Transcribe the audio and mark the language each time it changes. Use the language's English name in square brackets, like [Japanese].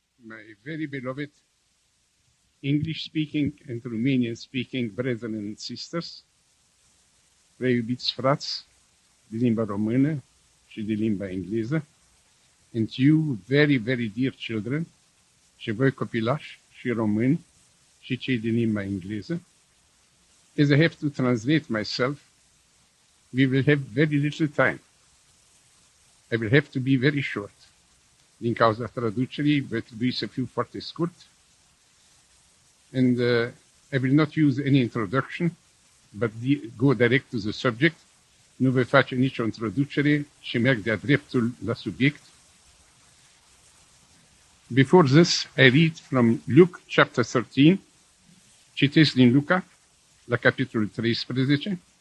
[English] my very beloved English-speaking and Romanian-speaking brethren and sisters, [Romanian] prea iubiți frați de limba română și de limba engleză, [English] and you very, very dear children, [Romanian] și voi copilași și români și cei de limba engleză, [English] as I have to translate myself, we will have very little time. I will have to be very short. [Romanian] Din cauza traducerii, voi trebui să fiu foarte scurt. [English] And I will not use any introduction, but go direct to the subject. [Romanian] Nu voi face nicio introducere, ci merg de-a dreptul la subiect. [English] Before this, I read from Luke chapter 13. [Romanian] Citesc din Luca, la capitolul 13.